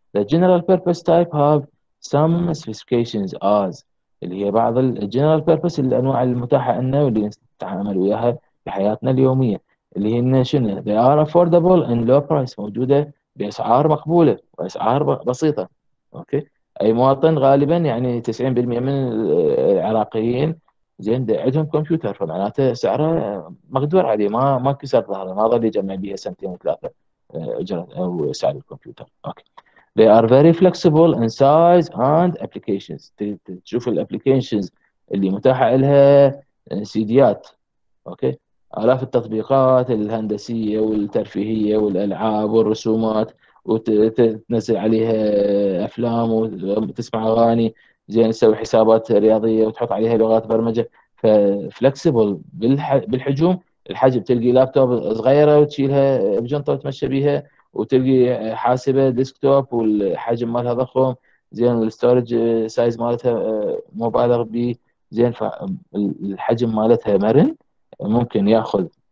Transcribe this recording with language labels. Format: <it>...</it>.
<en>The general purpose type have some specifications as</en> <ar>اللي هي بعض الجنرال بيربس الانواع المتاحه لنا واللي نتعامل وياها في حياتنا اليوميه، اللي هي شنو؟</ar> <en>they are affordable and low price،</en> <ar>موجوده باسعار مقبوله واسعار بسيطه. اوكي، اي مواطن غالبا يعني 90% من العراقيين زين عندهم كمبيوتر، فمعناته سعره مقدور عليه، ما كسر ظهره، ما ظل يجمع بيها سنتين وثلاثه اجره او سعر الكمبيوتر.</ar> <en>Okay, they are very flexible in size and applications.</en> <ar>تشوف الابلكيشنز اللي متاحه لها سيديات، اوكي، الاف التطبيقات الهندسيه والترفيهيه والالعاب والرسومات، وتنزل عليها افلام وتسمع اغاني، زين تسوي حسابات رياضيه وتحط عليها لغات برمجه، ففلكسبل بالحجوم، الحجم تلقي لابتوب صغيره وتشيلها بجنطه وتمشى بيها، وتلقي حاسبه ديسكتوب والحجم مالها ضخم، زين والستورج سايز مالتها مبالغ به، زين فالحجم مالتها مرن ممكن ياخذ،</ar>